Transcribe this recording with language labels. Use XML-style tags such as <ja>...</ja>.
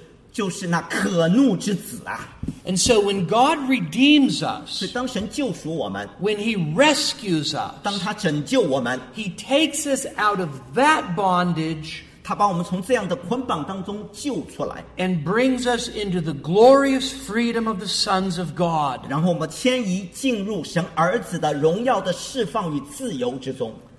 <zh>就是那可怒之子啊。</zh> <en>And so when God redeems us,</en> <zh>所以当神救赎我们,</zh> <en>when he rescues us,</en> <zh>当他拯救我们,</zh> <en>he takes us out of that bondage,</en> <zh>他把我们从这样的捆绑当中救出来,</zh> <en>and brings us into the glorious freedom of the sons of God.</en> <zh>然后我们迁移进入神儿子的荣耀的释放与自由之中。</zh>